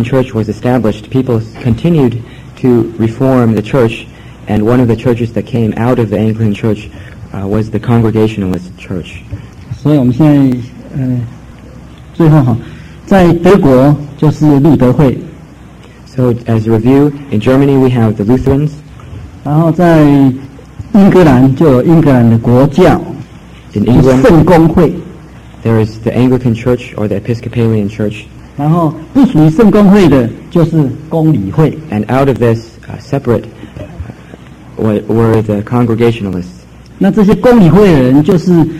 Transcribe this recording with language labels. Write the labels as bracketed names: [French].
[English] the Anglican Church was established, people continued to reform the church, and one of the churches that came out of the Anglican Church was the Congregationalist Church. [Chinese] 所以我们现在，最后哈，在德国就是路德会。 [English] So as a review, in Germany we have the Lutherans. [Chinese] 然后在英格兰就有英格兰的国教。 [English] In England, [Chinese] 圣公会。 [English] There is the Anglican Church or the Episcopalian Church. [Chinese] 然后不属于圣公会的，就是公理会。 [English] And out of this, separate, were the Congregationalists. [Chinese] 那这些公理会的人就是。